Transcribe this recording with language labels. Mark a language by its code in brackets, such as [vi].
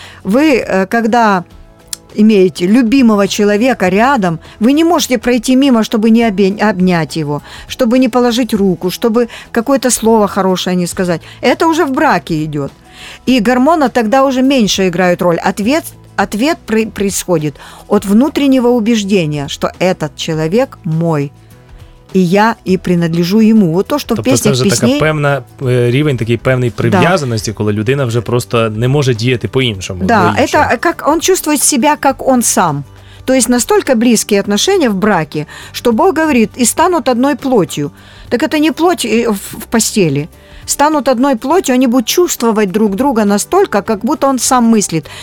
[ru] Вы, когда имеете любимого человека рядом, вы не можете пройти мимо, чтобы не обнять его, чтобы не положить руку, чтобы какое-то слово хорошее не сказать. Это уже в браке идет. И гормоны тогда уже меньше играют роль. Ответ происходит от внутреннего убеждения, что этот человек мой. И я [uk] і принадлежу йому. От то, що в пісні, це вже така певна рівень, такий певний прив'язаності, коли людина вже просто не може діяти по-іншому. [ru] Да, это как он чувствует себя как он сам. То есть настолько близкие отношения в браке, что Бог говорит: "И станут одной плотью". Так это не плоть в постели. Станут одной плотью, они будут чувствовать друг друга настолько, как будто он сам мыслит.